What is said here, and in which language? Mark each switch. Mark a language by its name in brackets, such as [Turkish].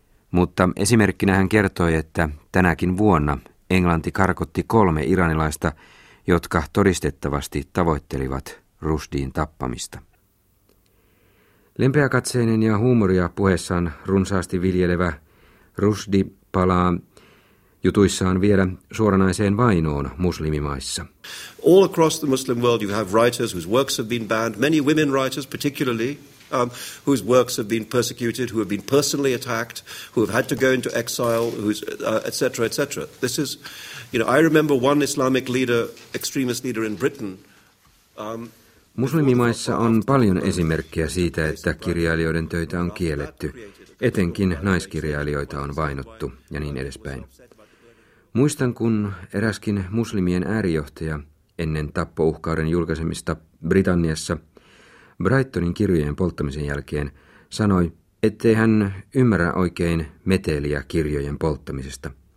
[Finnish] Mutta esimerkkinä hän kertoi, että tänäkin vuonna Englanti karkotti 3 iranilaista, jotka todistettavasti tavoittelivat Rushdien tappamista. Lempeäkatseinen ja huumoria puheessaan runsaasti viljelevä Rushdie palaa jutuissaan vielä suoranaiseen vainoon muslimimaissa. [English] All across the Muslim world you have writers whose works have been banned, many women writers particularly, whose works have been persecuted, who have been personally attacked, who have had to go into exile, etc., etc. This is, you know, I remember one Islamic leader, extremist leader in Britain. [Finnish] Muslimimaissa on paljon esimerkkejä siitä, että kirjailijoiden töitä on kielletty. Etenkin naiskirjailijoita on vainottu ja niin edespäin. Muistan, kun eräskin muslimien äärijohtaja ennen tappouhkauden julkaisemista Britanniassa Brightonin kirjojen polttamisen jälkeen sanoi, ettei hän ymmärrä oikein meteliä kirjojen polttamisesta.